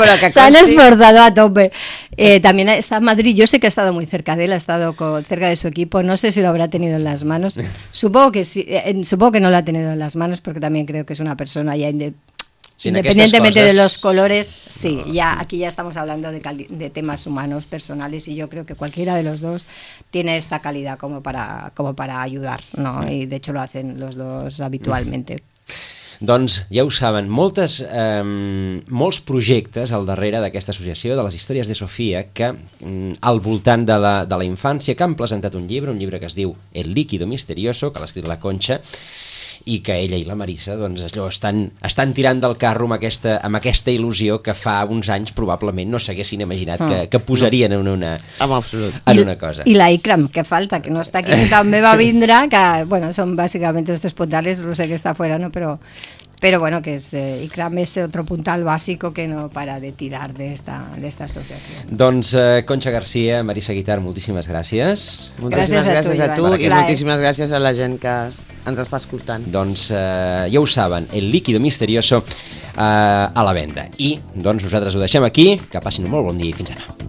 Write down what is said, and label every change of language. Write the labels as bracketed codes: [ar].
[es] se han esforzado a tope. También está Madrid, yo sé que ha estado muy cerca de él, ha estado cerca de su equipo, no sé si lo habrá tenido en las manos, supongo que no lo ha tenido en las manos, porque también creo que es una persona ya independientemente de los colores, sí, no. Ya aquí ya estamos hablando de temas humanos, personales, y yo creo que cualquiera de los dos tiene esta calidad como para ayudar, ¿no? Y de hecho lo hacen los dos habitualmente. [ca] Doncs ja ho saben, molts projectes al darrere d'aquesta associació de les històries de Sofia que al voltant de la infància, que han presentat un llibre que es diu El líquido misterioso, que l'ha escrit la Conxa, i que ella i la Marisa doncs, allò estan tirant del carro amb aquesta il·lusió que fa uns anys probablement no s'haguessin imaginat que posarien en una, en una cosa. I la Ikram, que falta, que no està aquí, que també va vindre, que bueno, són bàsicament els tres puntals, no sé què està fora, no? [es] Pero bueno, que es Ikram es otro puntal básico que no para de tirar de esta asociación. [ca] Doncs, Concha García, Marisa Guitart, moltíssimes gràcies. Moltíssimes gràcies a tu i moltíssimes gràcies a la gent que ens està escoltant. Doncs, ja ho saben, El líquido misterioso a la venda. I doncs nosaltres ho deixem aquí, que passin un molt bon dia i fins demà.